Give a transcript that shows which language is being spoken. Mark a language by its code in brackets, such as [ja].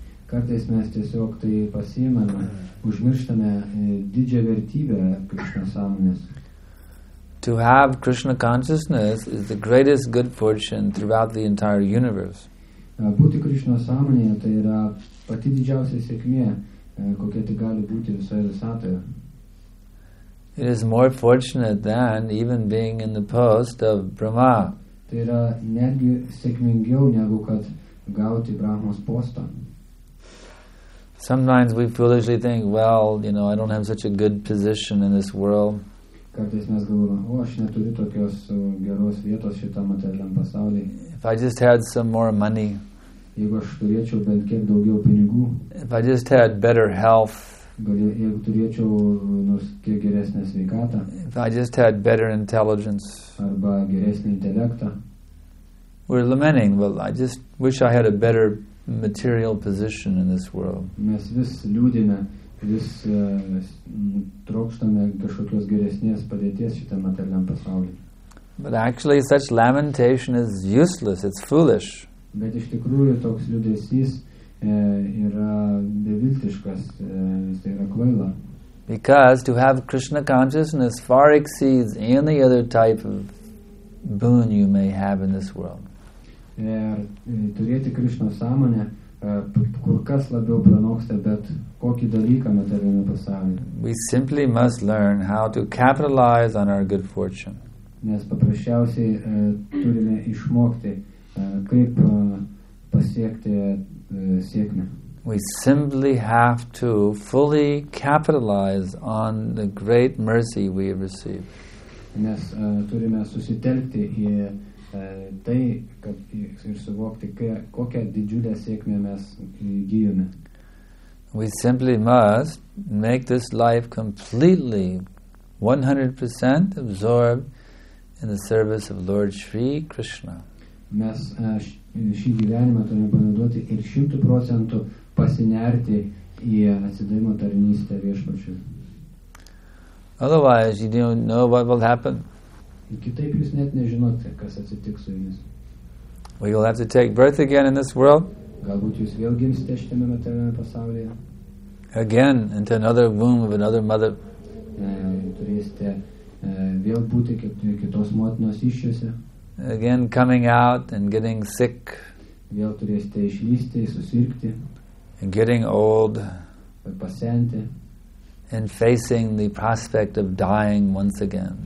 [lt] Kartais mes tiesiog tai pasiimame, užmirštame didžią vertybę Krishna sąmonės. [en] To have Krishna consciousness is the greatest good fortune throughout the entire universe. [lt] Būti Krishna sąmonėje tai yra pati didžiausia sėkmė, kokia tai gali būti visoje visatoje. [en] It is more fortunate than even being in the post of Brahma. [lt] Tai yra netgi sėkmingiau negu kad gauti Brahmos postą. [en] Sometimes we foolishly think, well, you know, I don't have such a good position in this world. If I just had some more money. If I just had better health. If I just had better intelligence. We're lamenting, well, I just wish I had a better material position in this world. [lt] Mes vis liūdime, vis trokštame kažkokios geresnės padėties šitame materialiam pasaulyje. [en] But actually such lamentation is useless, it's foolish. [lt] Bet iš tikrųjų toks liūdesys yra beviltiškas, tai yra kvaila. [en] Because to have Krishna consciousness far exceeds any other type of boon you may have in this world. [lt] Ir turėti Krishna sąmonę kur kas labiau pranoksta bet kokį dalyką materialiame pasaulyje. [en] We simply must learn how to capitalize on our good fortune. [lt] Mes paprasčiausiai turime išmokti kaip pasiekti sėkmę. [en] We simply have to fully capitalize on the great mercy we have received. [lt] Mes turime susitelkti į tai, kad ir suvokti, kokią didžiulę sėkmę mes įgyjome. [en] We simply must make this life completely 100% absorbed in the service of Lord Sri Krishna. [lt] Mes šį gyvenimą turime panaudoti ir 100% pasinerti į atsidavimo tarnystę viešpačiui. [en] Otherwise, you don't know what will happen. [lt] Kitaip jūs net nežinote, kas atsitiks su jumis. [en] We will have to take birth again in this world. [lt] Galbūt jūs vėl gimsite šitame materialiame pasaulyje. [en] Again, into another womb of another mother. [lt] Turėsite vėl būti kitos motinos įsčiose. [en] Again, coming out and getting sick. [lt] Vėl turėsite išlysti, susirgti. [en] And getting old. [lt] Ir pasenti. [en] And facing the prospect of dying once again.